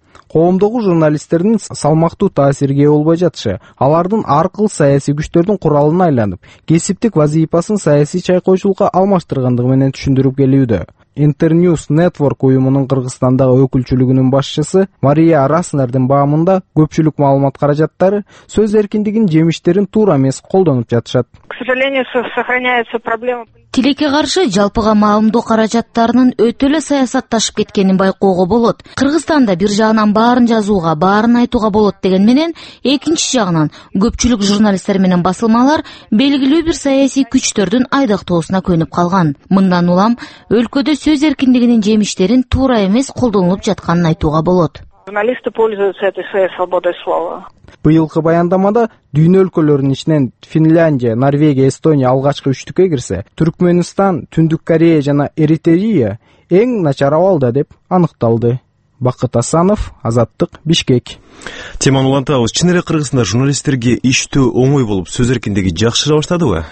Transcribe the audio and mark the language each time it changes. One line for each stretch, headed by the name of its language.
Kyrgyz: Коомдогу журналисттердин салмактуу таасирге ээ болбой жатышы алардын ар кыл саясий күчтөрдүн куралына айланып кесиптик вазыйпасын саясий чайкоочулукка алмаштыргандыгы менен түшүндүрүп келүүдө. Интерньюс Нетворк уюмунун Кыргызстандагы өкүлчүлүгүнүн башчысы Мария Араснердин баамында көпчүлүк маалымат каражаттары сөз эркиндигинин жемиштерин туура эмес колдонуп жатышат.
Russian: К сожалению, сохраняются проблемы.
Kyrgyz: Тилекке каршы жалпыга маалымдоо каражаттарынын өтө эле саясатташып кеткенин байкоого болот. Кыргызстанда бир жагынан баарын жазууга, баарын айтууга болот деген менен, экинчи жагынан көпчүлүк журналисттер менен басылмалар белгилүү бир саясий күчтөрдүн айдактоосуна көнүп калган. Мындан улам өлкөдө сөз эркиндигинин жемиштерин туура эмес колдонулуп жатканын айтууга болот.
Russian: Журналисты пользуются этой своей свободой слова.
Kyrgyz: Быйылкы баяндамада дүйнө өлкөлөрүнүн ичинен Финляндия, Норвегия, Эстония алгачкы үчтүккө кирсе, Түркмөнстан, Түндүк Корея жана Эритрея эң начар абалда деп аныкталды. Бакыт Асанов, Азаттык, Бишкек. Тиман улантабыз, чын эле Кыргызстанда журналисттерге иштөө оңой болуп, сөз эркиндиги жакшы жабаштадыбы?